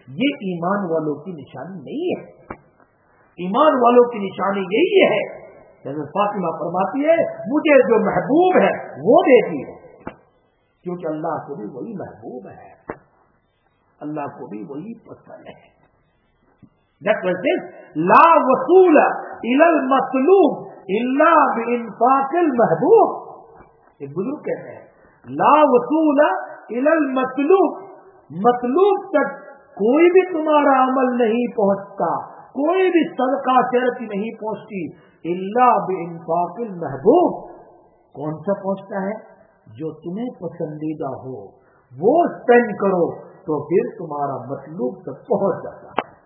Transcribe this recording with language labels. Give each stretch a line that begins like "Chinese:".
Urdu: یہ ایمان والوں کی نشانی نہیں ہے. ایمان والوں کی نشانی یہی ہے, حضرت فاطمہ فرماتی ہے مجھے جو محبوب ہے وہ دیتی ہے, کیونکہ اللہ کو بھی وہی محبوب ہے, اللہ کو بھی وہی پسند ہے.
English: That was this.
Arabic: لا وصول الى المطلوب الا بانفاق المحبوب.
Urdu: ایک بزرگ کہتے ہیں
Arabic: لا وصول الى المطلوب,
Urdu: مطلوب تک کوئی بھی تمہارا عمل نہیں پہنچتا, کوئی بھی صدقہ چرتی نہیں پہنچتی,
Arabic: الا بانفاق المحبوب.
Urdu: کون سا پہنچتا ہے؟ جو تمہیں پسندیدہ ہو وہ اسپینڈ کرو تو پھر تمہارا مطلوب تک پہنچ جاتا ہے.